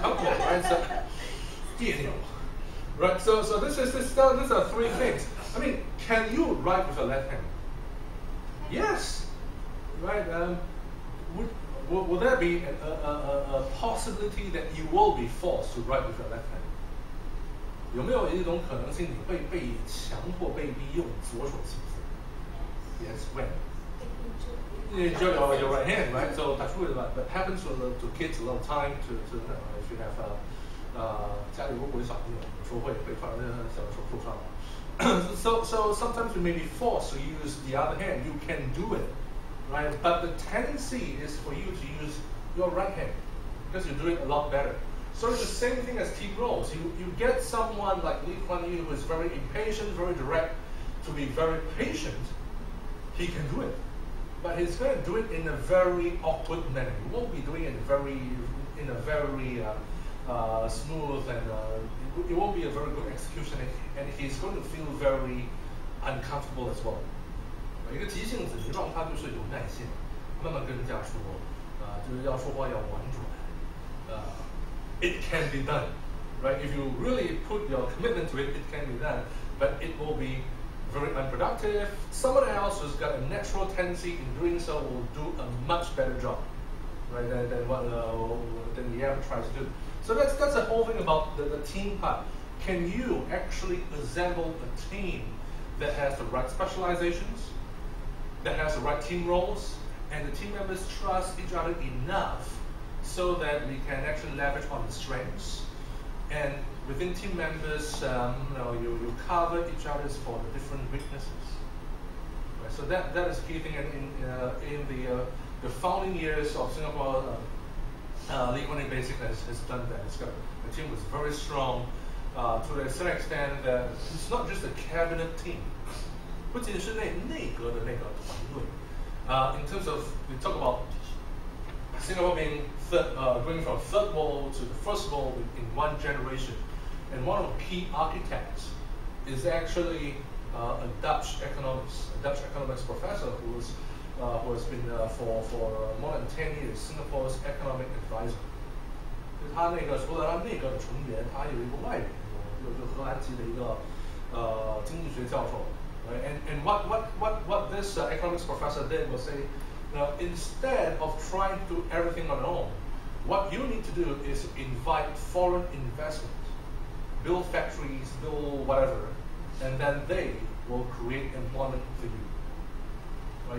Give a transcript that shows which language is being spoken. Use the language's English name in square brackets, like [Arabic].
[English] Uncomfortable, right? Right, so these are three things. I mean, can you write with a left hand? Yes. Right. Would there be a possibility that you will be forced to write with a left hand? [Chinese] 有没有一种可能性你会被强迫被逼用左手写字 ？Yes. [English] When? Enjoy your right hand, right? So that's true. But it happens to kids a lot of time. If you have [Chinese] 家里如果有小朋友，有时候会被放在小的时候受伤了。 [English] So sometimes you may be forced to use the other hand. You can do it, right? But the tendency is for you to use your right hand because you do it a lot better. So it's the same thing as team roles. You get someone like Lee Kuan Yew who is very impatient, very direct, to be very patient. He can do it, but he's going to do it in a very awkward manner. He won't be doing it in a very smooth and it won't be a very good execution, and he's going to feel very uncomfortable as well. [Chinese] 一个急性子就让他就是有耐心，慢慢跟人家说，就是要说话要婉转。 [English] It can be done, right? If you really put your commitment to it, it can be done, but it will be very unproductive. Someone else who's got a natural tendency in doing so will do a much better job, right? Than the average tries to do. So that's the whole thing about the team part. Can you actually assemble a team that has the right specializations, that has the right team roles, and the team members trust each other enough so that we can actually leverage on the strengths? And within team members, you cover each other's for the different weaknesses. Right, so that is a key thing. And in the founding years of Singapore, Lee Kuan Yew basically has done that. It's got, the team was very strong to a certain extent that it's not just a cabinet team. [Chinese] 不仅是内阁的那个团队。 [English] In terms of, we talk about Singapore being going from third world to the first world in one generation. And one of the key architects is actually a Dutch economics professor who has been for more than 10 years Singapore's economic advisor. [Chinese] 他那个除了他内阁的成员，他有一个外援，有一个荷兰籍的一个经济学教授。 [English] Right. And what this economics professor did was say, instead of trying to do everything on your own, what you need to do is invite foreign investment, build factories, build whatever, and then they will create employment for you. Right.